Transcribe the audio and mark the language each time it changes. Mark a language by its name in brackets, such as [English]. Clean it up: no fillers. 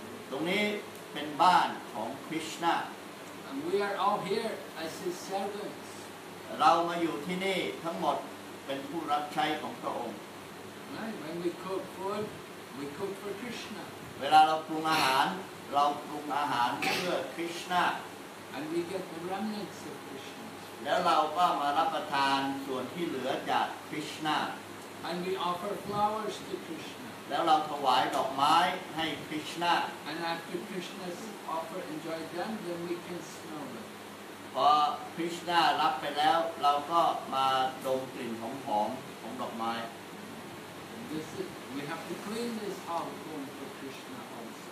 [Thai] ตรงนี้เป็นบ้านของ Krishna. [English] And we are all here as his servants. [Thai] เรามาอยู่ที่นี่ทั้งหมดเป็นผู้รับใช้ของพระองค์ [English] Right. When we cook food, we cook for Krishna. [Thai] เวลาเราปรุงอาหารเราปรุงอาหารเพื่อ Krishna. [English] And we get the remnants of Krishna's food. [Thai] แล้วเราก็มารับประทานส่วนที่เหลือจาก Krishna [English] and we offer flowers to Krishna [Thai] แล้วเราถวายดอกไม้ให้ Krishna [English] and after Krishna's offer enjoy them then we can smell them [Thai] พอ Krishna รับไปแล้วเราก็มาดมกลิ่นหอมๆของดอกไม้ [English] this is, we have to clean this hall going for Krishna also